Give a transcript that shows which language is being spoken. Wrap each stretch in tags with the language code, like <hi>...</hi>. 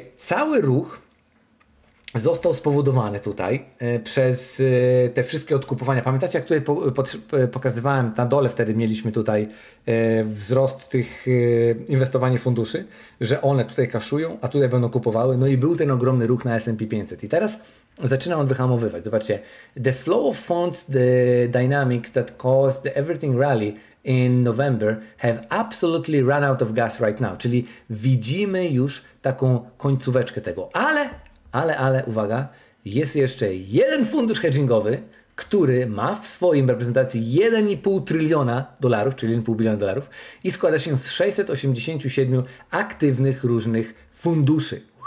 <pl>Cały ruch został spowodowany tutaj przez te wszystkie odkupowania. Pamiętacie, jak tutaj pokazywałem, na dole wtedy mieliśmy tutaj wzrost tych inwestowanie funduszy, że one tutaj kaszują, a tutaj będą kupowały. No i był ten ogromny ruch na S&P 500. I teraz zaczyna on wyhamowywać.</pl> <en>Zobaczcie, the flow of funds, the dynamics that caused the everything rally in November have absolutely run out of gas right now.</en> <pl>Czyli widzimy już taką końcóweczkę tego. Ale, uwaga, jest jeszcze jeden fundusz hedgingowy, który ma w swoim reprezentacji 1,5 tryliona dolarów, czyli 1,5 biliona dolarów i składa się z 687 aktywnych różnych funduszy.</pl>